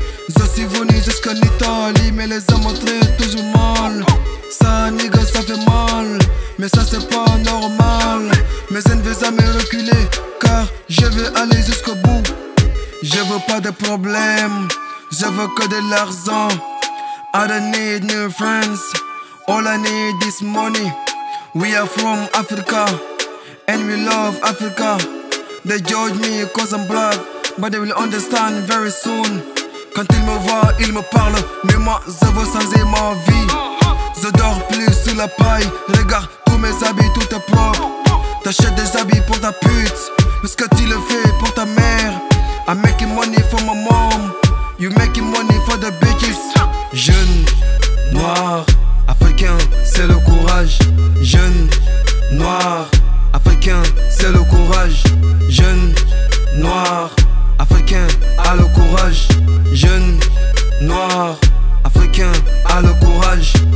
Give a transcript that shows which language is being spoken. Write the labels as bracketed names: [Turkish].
[French] Je suis venu jusqu'en Italie, mais les hommes traitent toujours mal. Ça nigga, ça fait mal, mais ça c'est pas normal. Mais je ne veux jamais reculer, car je veux aller jusqu'au bout. Je veux pas de problème, je veux que de l'argent. [English] I don't need new friends, all I need is money. We are from Africa, and we love Africa. They judge me cause I'm black, but they will understand very soon. [French] Quand ils me voient, ils me parlent, mais moi je veux changer ma vie. Je dors plus sous la paille, regarde tous mes habits, tout est propre. T'achètes des habits pour ta pute, parce que tu le fais pour ta mère. [English] I'm making money for my mom, you making money for the bitches. [French] Jeune, noir, africain, c'est le courage. Jeune, noir, africain, c'est le courage. Jeune, noir, africain, a le courage. Jeune, noir, africain, a le courage.